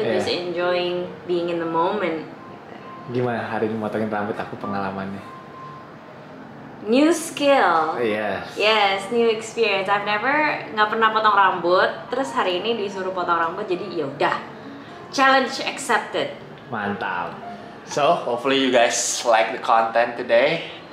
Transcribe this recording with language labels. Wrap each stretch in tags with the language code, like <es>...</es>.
<en>Just enjoying being in the moment.</en> <id>Gimana hari ini potongin rambut aku pengalamannya?</id> <en>New skill. Yes, new experience. I've never</en> <id>nggak pernah potong rambut. Terus hari ini disuruh potong rambut, jadi ya udah.</id> <en>Challenge accepted.</en> <id>Mantap.</id> <en>So, hopefully you guys like the content today.</en>